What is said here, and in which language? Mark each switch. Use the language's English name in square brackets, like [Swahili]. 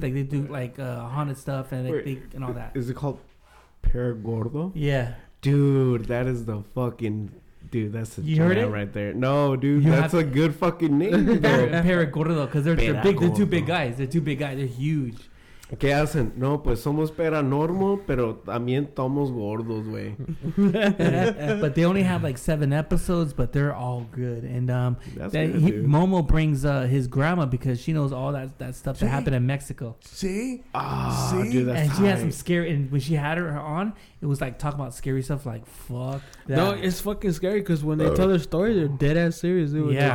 [English] They do like haunted stuff and all that. Is it called Paragordo? Yeah. Dude, that is the fucking... Dude, that's a giant right there. No, dude, that's a good fucking name. Paragordo, because they're two big guys. They're huge. [Spanish] ¿Qué hacen? No, pues somos paranormal, pero también estamos gordos, güey. [English] But they only have like 7 episodes, but they're all good. And Momo brings his grandma because she knows all that stuff that happened in Mexico. See? Ah, see? Dude, that's and tight. She has some scary, and when she had her on, it was like talking about scary stuff like, fuck that. No, it's fucking scary because when they tell their stories, they're dead ass serious. Dude. Yeah.